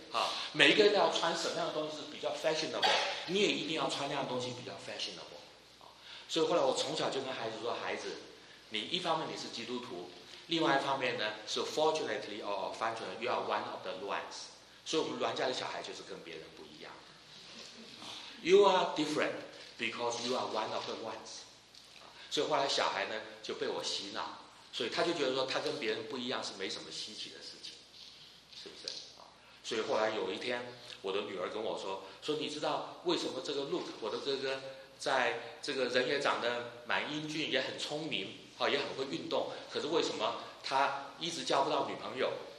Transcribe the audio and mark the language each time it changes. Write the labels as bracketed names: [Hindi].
[Chinese] 啊，每一个人要穿什么样的东西是比较 fashionable， 你也一定要穿那样的东西比较 fashionable。所以后来我从小就跟孩子说，孩子，你一方面你是基督徒，另外一方面呢是 [English] fortunately or unfortunately you are one of the ones， [Chinese] 所以我们栾家的小孩就是跟别人不一样。 [English] You are different because you are one of the ones。 [Chinese] 所以后来小孩呢就被我洗脑，所以他就觉得说他跟别人不一样是没什么稀奇的事情，是不是？所以后来有一天，我的女儿跟我说，说你知道为什么这个 Luke 我的哥哥，在这个人也长得蛮英俊，也很聪明，也很会运动，可是为什么他一直交不到女朋友？